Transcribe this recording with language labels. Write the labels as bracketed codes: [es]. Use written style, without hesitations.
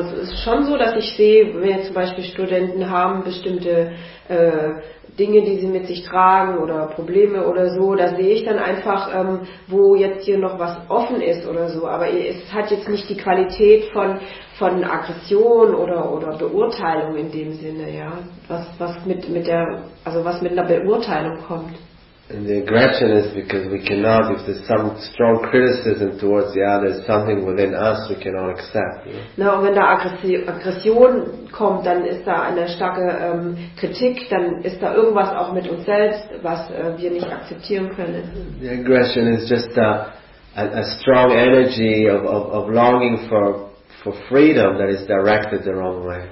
[de] Es ist schon so, dass ich sehe, wenn zum Beispiel Studenten haben bestimmte Dinge, die sie mit sich tragen oder Probleme oder so, da sehe ich dann einfach, wo jetzt hier noch was offen ist oder so. Aber es hat jetzt nicht die Qualität von Aggression oder Beurteilung in dem Sinne, ja. Was mit einer Beurteilung kommt. [en] And the aggression is because we cannot, if there's some strong criticism towards the other, something within us we cannot accept. Yeah? [de] Na, wenn da Aggression kommt, dann ist da eine starke Kritik, dann ist da irgendwas auch mit uns selbst, was wir nicht akzeptieren können. [en] The aggression is just a strong energy of longing for freedom that is directed the wrong way.